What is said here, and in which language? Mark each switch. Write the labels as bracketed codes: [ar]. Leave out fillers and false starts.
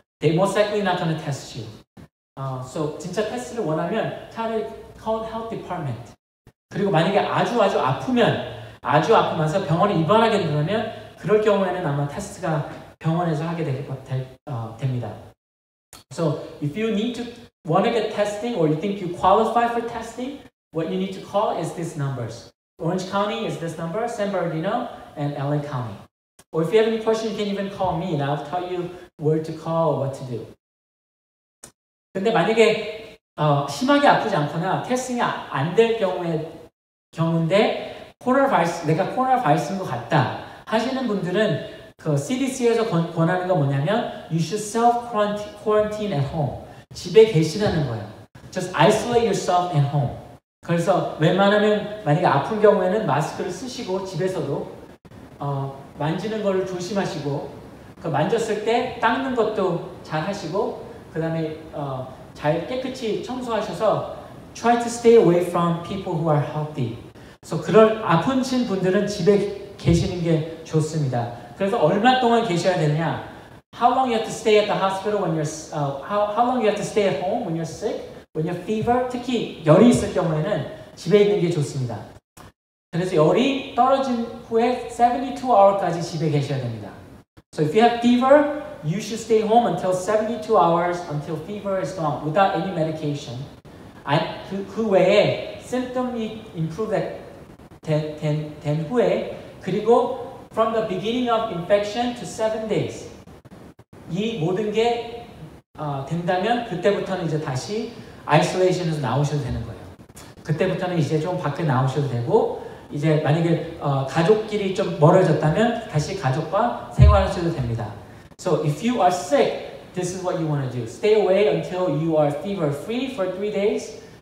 [en] They most likely not gonna test you. So [ko] 진짜 테스트를 원하면 차라리 [en] call health department. [ko] 그리고 만약에 아주 아프면서 병원에 입원하게 되면 그럴 경우에는 아마 테스트가 병원에서 하게 됩니다. [en] So if you want to get testing or you think you qualify for testing, what you need to call is these numbers. Orange County is this number, San Bernardino, and LA County. Or if you have any questions, you can even call me, and I'll tell you where to call, what to do. [ko] 근데 만약에 심하게 아프지 않거나 테스트가 안 될 경우인데 내가 코로나바이러스인 것 같다 하시는 분들은 그 CDC에서 권하는 건 뭐냐면 [en] you should self-quarantine at home. [ko] 집에 계시라는 거예요. [en] Just isolate yourself at home. [ko] 그래서 웬만하면 만약에 아픈 경우에는 마스크를 쓰시고 집에서도 만지는 걸 조심하시고 그 만졌을 때 닦는 것도 잘 하시고 그 다음에 잘 깨끗이 청소하셔서 [en] try to stay away from people who are healthy. [ko] So 그럴 아프신 분들은 집에 계시는 게 좋습니다. 그래서 얼마 동안 계셔야 되느냐? [en] How long you have to stay at the hospital when you're how long you have to stay at home when you're sick? When you have fever, [ko] 특히 열이 있을 경우에는 집에 있는 게 좋습니다. 그래서 열이 떨어진 후에 72시간까지 집에 계셔야 됩니다. [en] So if you have fever, you should stay home until 72 hours until fever is gone without any medication. [ko] 그 외에 symptom이 improve 된 후에 그리고 [en] from the beginning of infection to 7 days [ko] 이 모든 게 된다면 그때부터는 이제 다시 isolation에서 나오셔도 되는 거예요. 그때부터는 이제 좀 밖에 나오셔도 되고 이제 만약에 가족끼리 좀 멀어졌다면 다시 가족과 생활하셔도 됩니다. [en] So if you are sick, this is what you want to do. Stay away until you are fever free for 3 days.